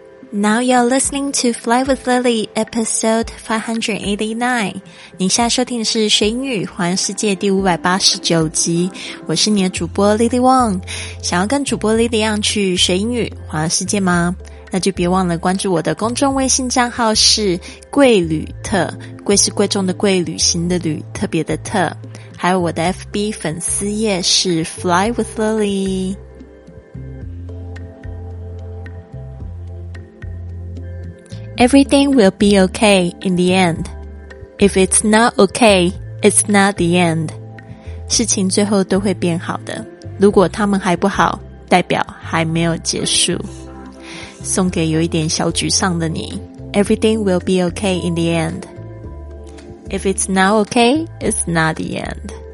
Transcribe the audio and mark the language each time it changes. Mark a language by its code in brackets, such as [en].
[en] Now you're listening to Fly with Lily, episode 589. [zh] 你现在收听的是学英语环游世界第589集。我是你的主播 Lily Wong。想要跟主播 Lily 一样去学英语环游世界吗？那就别忘了关注我的公众微信账号是贵旅特，贵是贵重的贵，旅行的旅，特别的特。还有我的 FB 粉丝页是 Fly with Lily。 [en] Everything will be okay in the end. If it's not okay, it's not the end. [zh] 事情最后都会变好的。如果他们还不好，代表还没有结束。送给有一点小沮丧的你。 [en] Everything will be okay in the end. If it's not okay, it's not the end.